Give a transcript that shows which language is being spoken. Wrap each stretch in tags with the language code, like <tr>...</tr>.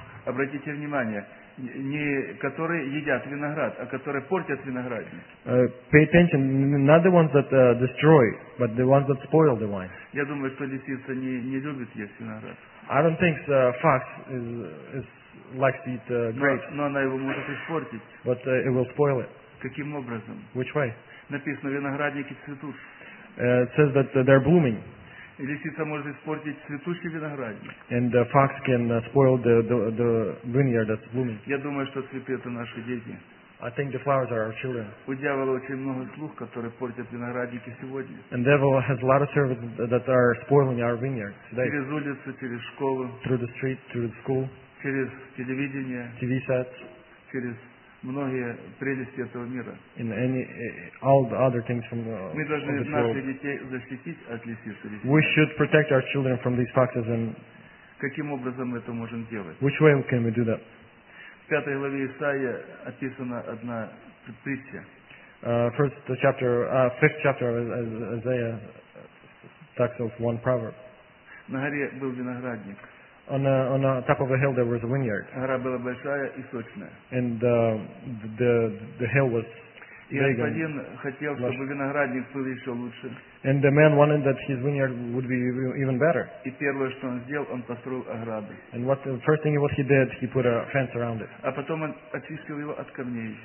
<ru>Обратите внимание, не которые едят виноград, а которые портят виноградник.</ru> <en>Pay attention, not the ones that destroy, but the ones that spoil the vine.</en> <ru>Я думаю, что лисица не любит есть виноград.</ru> <en>I don't think the fox is likes to eat grapes.</en> <ru>Но она его может испортить.</ru> <en>But it will spoil it.</en> <ru>Каким образом?</ru> <en>Which way?</en> <ru>Написано, виноградники цветут.</ru> <en>It says that they're blooming.</en> <ru>И лисица может испортить цветущий виноградник.</ru> <en>And the fox can spoil the vineyard that's blooming.</en> <ru>Я думаю, что цветы — это наши дети.</ru> <en>I think the flowers are our children.</en> <ru>У дьявола очень много слуг, которые портят виноградники сегодня.</ru> <en>And the devil has a lot of servants that are spoiling our vineyard today.</en> <ru>Через улицу, через школу.</ru> <en>Through the street, through the school.</en> <ru>Через телевидение.</ru> <en>TV sets.</en> <ru>Через многие прелести этого мира.</ru> <en>In any, all the other things from the</en> <ru>мы должны</ru> <en>from</en> <ru>наших</ru> <en>world.</en> <ru>Детей защитить от лисиц.</ru> <en>We should protect our children from these foxes. And</en> <ru>каким образом мы это можем делать?</ru> <en>Which way can we do that?</en> <ru>В пятой главе Исаии описана одна притча.</ru> <en>First chapter, fifth chapter of Isaiah talks of one proverb.</en> <ru>На горе был виноградник.</ru> <en>On the top of a hill there was a vineyard.</en> <ru>Гора была большая и сочная.</ru> <en>And the hill was big.</en> <ru>И один хотел, чтобы виноградник был еще лучше.</ru> <en>And the man wanted that his vineyard would be even better.</en> <ru>И первое, что он сделал, он построил ограды.</ru> <en>And what the first thing he did, he put a fence around it.</en> <ru>А потом он очистил его от камней.</ru>